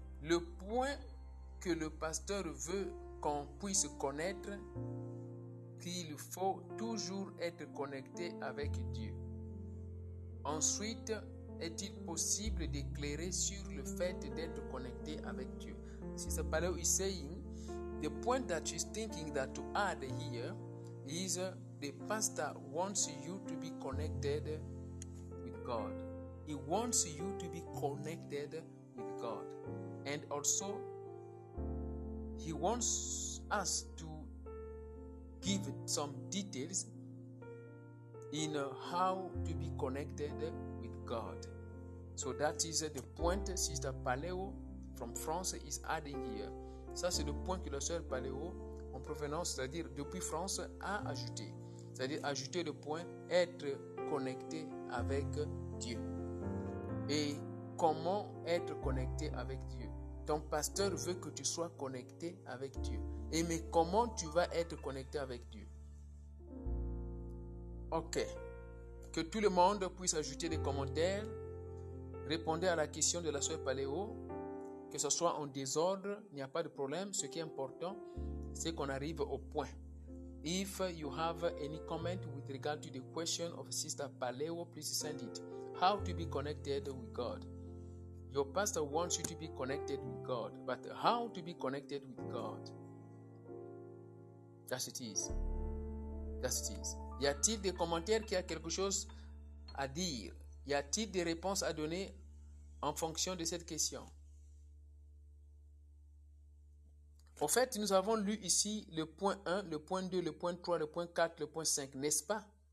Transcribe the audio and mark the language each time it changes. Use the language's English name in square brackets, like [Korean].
[French] Le point que le pasteur veut qu'on puisse connaître, qu'il faut toujours être connecté avec Dieu. Ensuite, est-il possible d'éclairer sur le fait d'être connecté avec Dieu? [English] Sister Paléo is saying, the point that she's thinking that to add here is the pastor wants you to be connected with God. He wants you to be connected with God. And also, he wants us to give some details in how to be connected with God. So that is the point Sister Paléo from France is adding here. [French] Ça, c'est le point que la sœur Paléo, en provenance, c'est-à-dire depuis France, a ajouté. C'est-à-dire ajouter le point être connecté avec Dieu. Et comment être connecté avec Dieu? Ton pasteur veut que tu sois connecté avec Dieu. Et mais comment tu vas être connecté avec Dieu? Ok. Que tout le monde puisse ajouter des commentaires. Répondez à la question de la sœur Paléo. Que ce soit en désordre, il n'y a pas de problème. Ce qui est important, c'est qu'on arrive au point. [English] If you have any comment with regard to the question of Sister Paléo, please send it. How to be connected with God? Your pastor wants you to be connected with God. But how to be connected with God? Yes, it is. Yes, it is. [French] Y a-t-il des commentaires qui a quelque chose à dire? Y a-t-il des réponses à donner en fonction de cette question? Au fait, nous avons lu ici le point 1, le point 2, le point 3, le point 4, le point 5, n'est-ce pas?